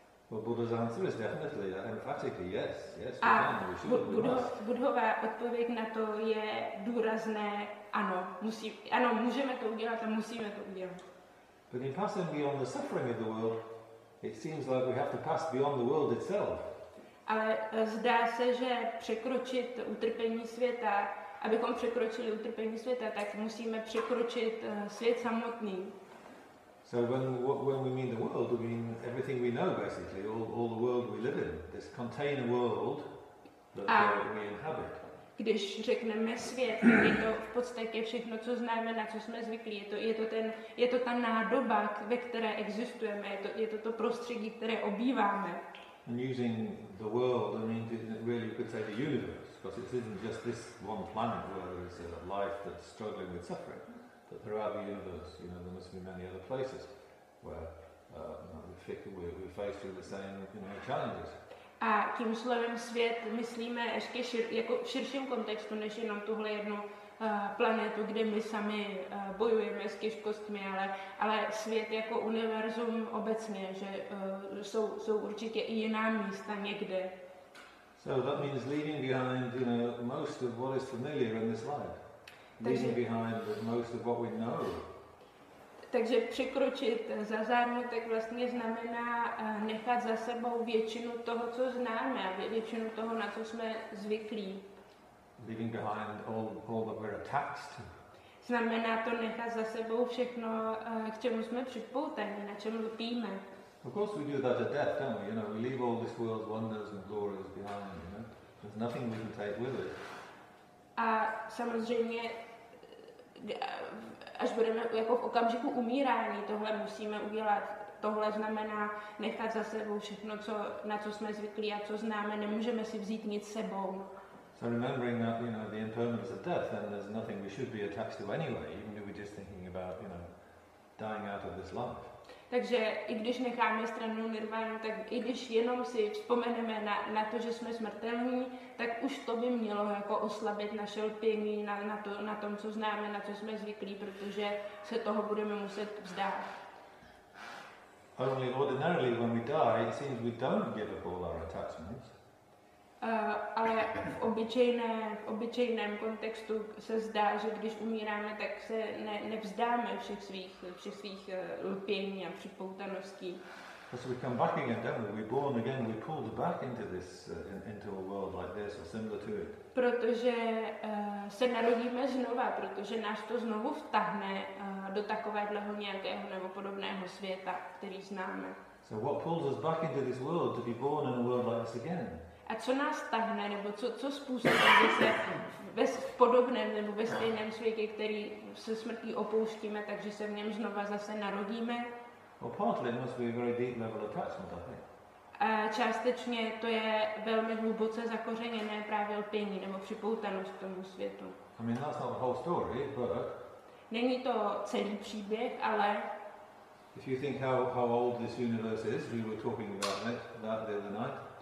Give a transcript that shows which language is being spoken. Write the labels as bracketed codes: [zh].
[en] Well, Buddha's answer is definitely, emphatically, yes. Yes, a we can, we should, we must. [cs] Buddhova odpověď na to je důrazné, ano, ano, můžeme to udělat a musíme to udělat. [en] But in passing beyond the suffering of the world, it seems like we have to pass beyond the world itself. [cs] Ale zdá se, že překročit utrpení světa, abychom překročili utrpení světa, tak musíme překročit svět samotný. [en] So when we mean the world, we mean everything we know basically, all the world we live in, this container world that we inhabit. [cs] Když řekneme svět, je to v podstatě všechno, co známe, na co jsme zvyklí. Je to ta nádoba, ve které existujeme, je to prostředí, které obýváme. [en] And using the world, I mean, really you could say the universe, because it isn't just this one planet where there is a life that's struggling with suffering, but throughout the universe, you know, there must be many other places where we're faced with the same, you know, challenges. [cs] A tím slovem svět myslíme ještě jako v širším kontextu, než jenom tuhle jednu planetu, kde my sami bojujeme s těžkostmi, ale svět jako univerzum obecně, že jsou určitě i jiná místa někde. [en] So that means leaving behind, you know, most of what is familiar in this life. Leaving behind most of what we know. [cs] Takže překročit za zármutek vlastně znamená nechat za sebou většinu toho, co známe, většinu toho, na co jsme zvyklí. [en] Leaving behind all that we're attached to. [cs] Znamená to nechat za sebou všechno, k čemu jsme připoutaní, na čem lpíme. [en] Of course we do that at death, don't we? You know, we leave all this world's wonders and glories behind, you know? There's nothing we can take with it. [cs] A samozřejmě, až budeme jako v okamžiku umírání, tohle musíme udělat. Tohle znamená nechat za sebou všechno, na co jsme zvyklí a co známe. Nemůžeme si vzít nic sebou. [en] So remembering that, you know, the impermanence of death, then there's nothing we should be attached to anyway, even if we're just thinking about, you know, dying out of this life. [cs] Takže i když necháme stranu nirvánu, tak i když jenom si vzpomeneme na to, že jsme smrtelní, tak už to by mělo jako oslabit naše lpění na tom, co známe, na co jsme zvyklí, protože se toho budeme muset vzdát. [en] Only ordinarily when we die, it seems we don't give up all our attachments. [cs] Ale v obyčejném kontextu se zdá, že když umíráme, tak se nevzdáme všech svých lpění a připoutaností. [en] So we come back again, don't we? We're born again, we're pulled back into this into a world like this or similar to it. [cs] Protože se narodíme znova, protože nás to znovu vtahne do takovéhleho nějakého nebo podobného světa, který známe. [en] So what pulls us back into this world to be born in a world like this again? [cs] A co nás tahne, nebo co způsobí, že se ve podobném nebo ve stejném světě, který se smrtí opouštíme, takže se v něm znova zase narodíme? [en] Well, partly it must be a very deep level attachment, I think. [cs] A částečně to je velmi hluboce zakořeněné právě lpění nebo připoutanost k tomu světu. [en] I mean, that's not the whole story, but... [cs] Není to celý příběh, ale... [en] If you think how old this universe is, we were talking about it that the other night.